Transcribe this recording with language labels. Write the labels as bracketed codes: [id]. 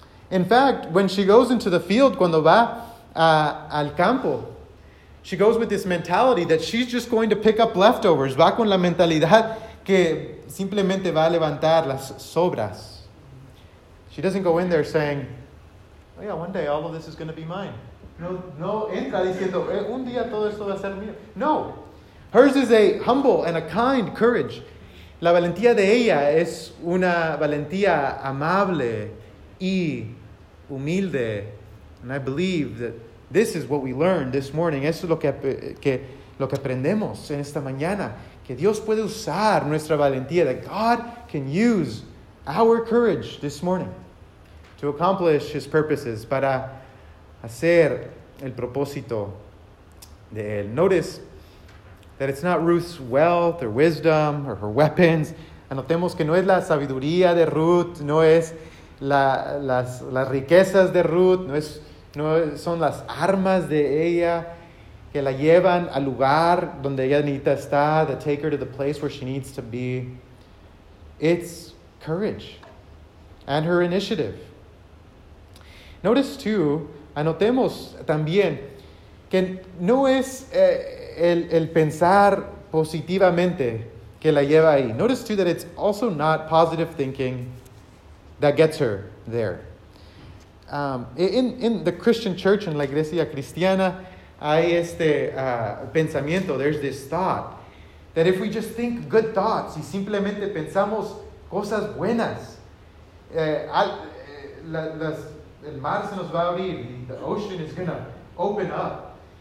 [en] In fact, when she goes into the field, [es] cuando va al campo, [en] she goes with this mentality that she's just going to pick up leftovers. [es] Va con la mentalidad que simplemente va a levantar las sobras. [en] She doesn't go in there saying, oh yeah, one day all of this is going to be mine. [es] No, entra diciendo, un día todo esto va a ser mío. No. [en] Hers is a humble and a kind courage. [es] La valentía de ella es una valentía amable y humilde. [en] And I believe that this is what we learned this morning. [es] Eso es lo que aprendemos en esta mañana. Que Dios puede usar nuestra valentía. [en] That God can use our courage this morning to accomplish His purposes. [es] Para hacer el propósito de Él. [en] Notice that it's not Ruth's wealth or wisdom or her weapons. [es] Anotemos que no es la sabiduría de Ruth. No es las riquezas de Ruth. No son las armas de ella que la llevan al lugar donde ella necesita estar, [en] that take her to the place where she needs to be. It's courage and her initiative. Notice too, [es] anotemos también, que no es el pensar positivamente que la lleva ahí. [en] Notice too that it's also not positive thinking that gets her there. In the Christian church, in [es] la iglesia cristiana, hay este pensamiento, [en] there's this thought, that if we just think good thoughts, [es] y simplemente pensamos cosas buenas, el mar se nos va a abrir, [en] the ocean is going to open up.